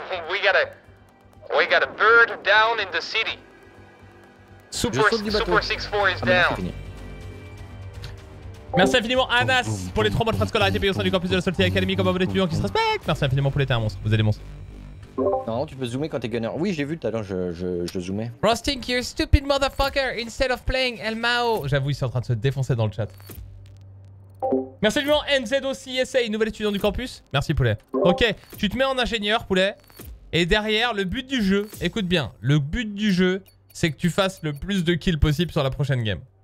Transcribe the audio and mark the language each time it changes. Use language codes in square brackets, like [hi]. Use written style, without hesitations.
[en] We got a bird down in the city. Super 64 is down. [fr] Merci infiniment Anas pour les 3 mois de scolarité payés au sein du campus de la Solitaire Academy comme un bon étudiant qui se respecte. Merci infiniment pour l'été, un monstre. Vous êtes des monstres. Non, tu peux zoomer quand t'es gunner. Oui, j'ai vu tout à l'heure, je zoomais. [en] Rusting, you stupid motherfucker, instead of playing El Mao. [fr] J'avoue, il est en train de se défoncer dans le chat. Merci infiniment NZOCSA, nouvel étudiant du campus. Merci poulet. Ok, tu te mets en ingénieur, poulet. Et derrière, le but du jeu, écoute bien, le but du jeu, c'est que tu fasses le plus de kills possible sur la prochaine game.